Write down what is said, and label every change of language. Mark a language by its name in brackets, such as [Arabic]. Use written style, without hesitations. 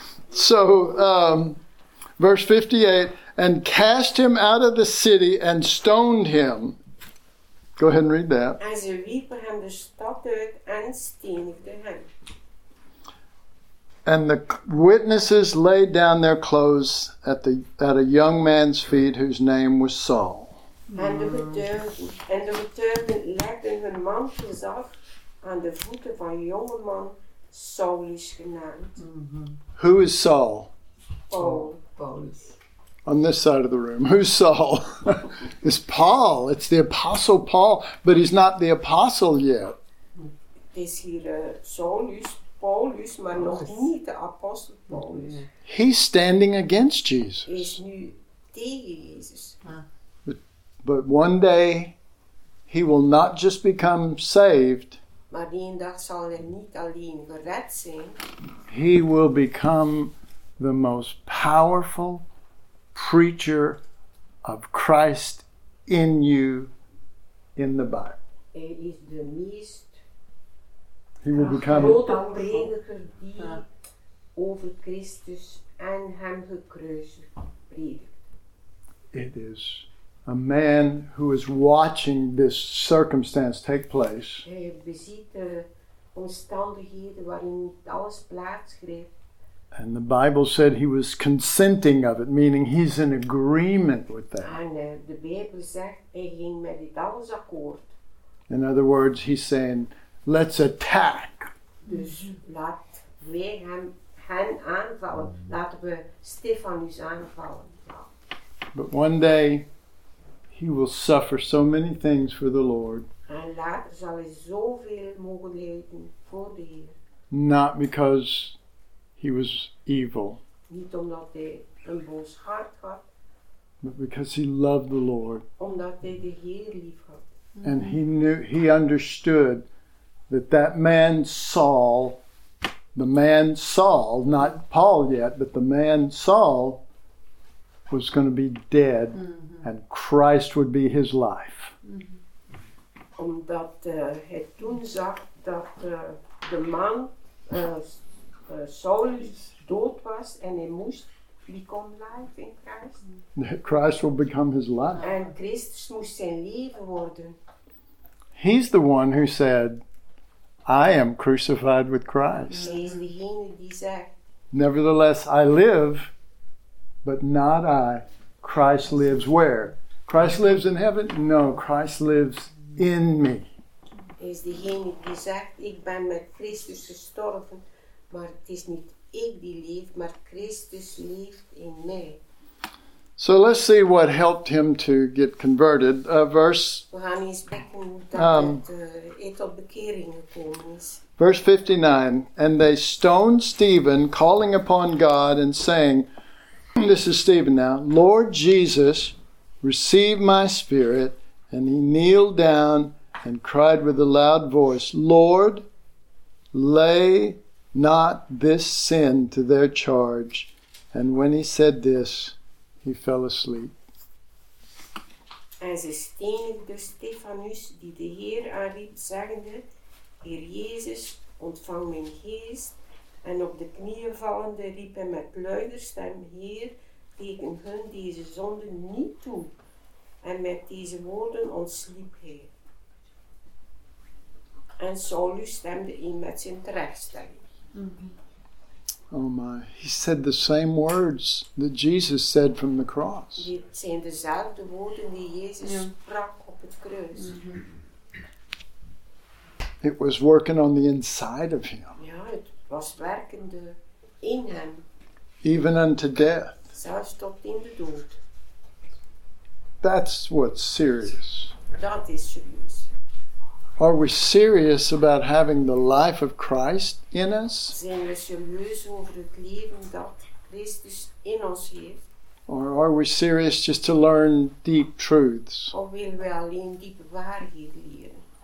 [English] So, verse 58, and cast him out of the city and stoned him. Go ahead and read that. As a weeper and the stopped and steamed him. And the witnesses laid down their clothes at a young man's feet whose name was Saul. [Dutch] En de getuigen legden hun mantels af aan de voeten van een jonge man, Saulus genaamd. Mm-hmm. [English] Who is Saul? [Dutch] Paulus. [English] On this side of the room. Who's Saul? It's Paul. It's the Apostle Paul. But he's not the Apostle yet. [Dutch] Het is hier Saulus. Paulus, maar nog niet de apostel Paulus. [English] He's standing against Jesus. [Dutch] Is nu tegen Jezus. [English] But one day he will not just become saved. [Dutch] Maar die een dag zal hij niet alleen gered zijn. [English] He will become the most powerful preacher of Christ in you in the Bible. [Dutch] Hij is de meest. [English] He will become [Dutch] a prediker die over Christus en hem gekruisigd predikt. [English] It is a man who is watching this circumstance take place. [Dutch] Hij beziet de omstandigheden waarin alles plaatsgreep. [English] And the Bible said he was consenting of it, meaning he's in agreement with that. [Dutch] En de Bijbel zegt hij ging met dit alles akkoord. [English] In other words, he's saying, let's attack. [Dutch] Dus laat wij hen aanvallen. Laten we Stefanus aanvallen. [English] But one day he will suffer so many things for the Lord. [Dutch] En later zal hij zoveel mogen lijden voor de Heer. [English] Not because he was evil. [Dutch] Niet omdat hij een boos hart had. [English] But because he loved the Lord. [Dutch] Omdat hij de Heer lief had. [English] And he knew, he understood that man Saul, the man Saul, not Paul yet, but the man Saul was going to be dead and Christ would be his life. Mm-hmm. [Dutch] Omdat hij toen zag dat de man Saul dood was en hij moest [English] become life in Christ. That Christ will become his life. [Dutch] And Christus moest zijn leven worden. [English] He's the one who said, I am crucified with Christ. [Dutch] Hij is degene die zegt, [English] nevertheless, I live, but not I. Christ lives where? Christ lives in heaven? No, Christ lives in me. [Dutch] Is diegene die zegt, ik ben met Christus gestorven, maar het is niet ik die leef, maar Christus leeft in mij. [English] So let's see what helped him to get converted. Verse. [Dutch] We gaan eens kijken hoe dat het op bekering gekomen is. [English] Verse 59, and they stoned Stephen, calling upon God and saying, this is Stephen now, Lord Jesus, receive my spirit. And he kneeled down and cried with a loud voice, Lord, lay not this sin to their charge. And when he said this, he fell asleep. [Dutch] En ze stenigde Stephanus, die de Heer aanriep, zeggende, Heer Jezus, ontvang mijn geest. En op de knieën vallende riep hij met luider stem, Heer, teken hun deze zonde niet toe. En met deze woorden ontsliep hij. En Saulus stemde in met zijn terechtstelling. [English] Oh my, he said the same words that Jesus said from the cross. [Dutch] Het zijn dezelfde woorden die Jezus sprak op het kruis. [English] It was working on the inside of him. [Dutch] Ja, het was werkende in hem. [English] Even unto death. [Dutch] Zelfs tot in de dood. [English] That's what's serious. [Dutch] Dat is serieus. [English] Are we serious about having the life of Christ in us? [Dutch] Zijn we serieus over het leven dat Christus in ons heeft? [English] Or are we serious just to learn deep truths? [Dutch] Of willen we alleen diepe waarheden leren?